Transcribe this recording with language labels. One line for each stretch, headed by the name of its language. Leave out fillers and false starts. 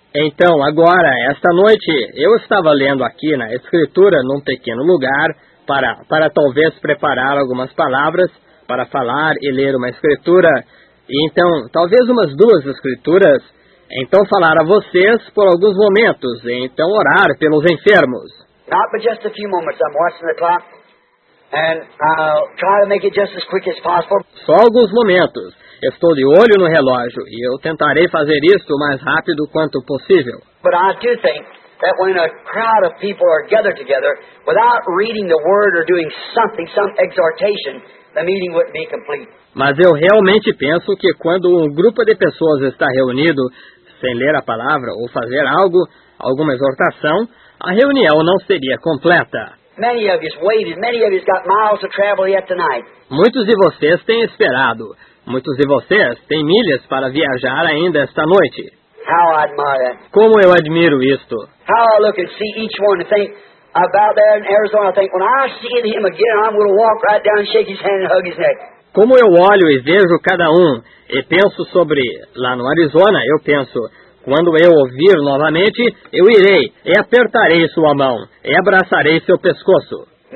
Portuguese: Então, agora, esta noite, eu estava lendo aqui na escritura num pequeno lugar para talvez preparar algumas palavras para falar e ler uma escritura. E então, talvez umas 2 escrituras. Então falar a vocês por alguns momentos, e então orar pelos enfermos.
English: Not but just a few moments. I'm watching the clock, and I'll try to make it just as quick as possible.
Portuguese: Só alguns momentos. Estou de olho no relógio e eu tentarei fazer isso o mais rápido quanto possível.
English: But I do think that when a crowd of people are gathered together without reading the word or doing something, some exhortation, the meeting wouldn't be complete.
Portuguese: Mas eu realmente penso que quando um grupo de pessoas está reunido sem ler a palavra ou fazer algo, alguma exortação, a reunião não seria completa.
English: Many of you waited. Many of you got miles to travel yet tonight.
Portuguese: Muitos de vocês têm esperado. Muitos de vocês têm milhas para viajar ainda esta noite.
English: How I admire that.
Portuguese: Como eu admiro isto.
English: How I look and see each one and think about there in Arizona. I think when I see him again, I'm going to walk right down, shake his hand, and hug his neck.
Portuguese: Como eu olho e vejo cada um e penso sobre lá no Arizona, eu penso, quando eu ouvir novamente, eu irei e apertarei sua mão e abraçarei seu pescoço.